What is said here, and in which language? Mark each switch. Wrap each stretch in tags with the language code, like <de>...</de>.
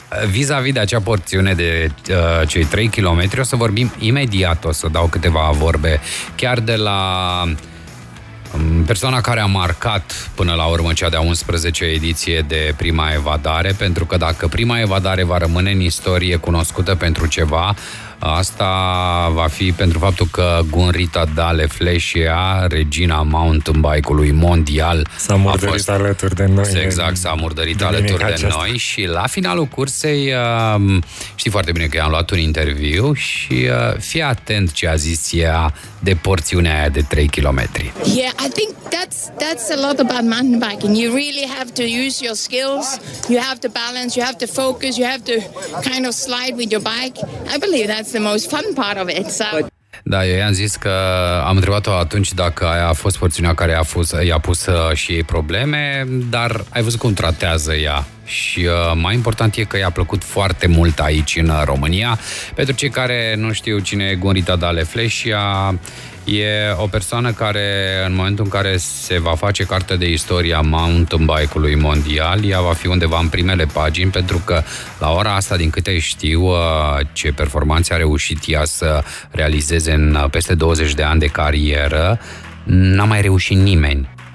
<ro>vis-a-vis de acea porțiune de cei 3 km, o să vorbim imediat, o să dau câteva vorbe chiar de la persoana care a marcat până la urmă cea de-a 11-a ediție de prima evadare, pentru că dacă prima evadare va rămâne în istorie cunoscută pentru ceva, asta va fi pentru faptul că Gunrita Dale Fleșea, regina mountain bike-ului mondial, s-a murdărit alături de noi. Exact, s-a murdărit alături de noi și la finalul cursei, știi foarte bine că i-am luat un interviu și fii atent ce a zis ea de porțiunea aia de 3 km.</ro> <en>Yeah, I think that's a lot about mountain biking. You really have to use your skills. You have to balance, you have to focus, you have to kind of slide with your bike. I believe that's the most fun part of it. So.</en> <ro>Da, eu i-am zis că am întrebat-o atunci dacă aia a fost porțiunea care i-a pus și ei probleme, dar ai văzut cum tratează ea Și mai important e că i-a plăcut foarte mult aici în România. Pentru cei care nu știu cine e Gorita Dale Fleșia, e o persoană care în momentul în care se va face carte de istorie a mountain bike-ului mondial, ea va fi undeva în primele pagini, pentru că la ora asta, din câte știu, ce performanțe a reușit ea să realizeze în peste 20 de ani de carieră, n-a mai reușit nimeni.</ro>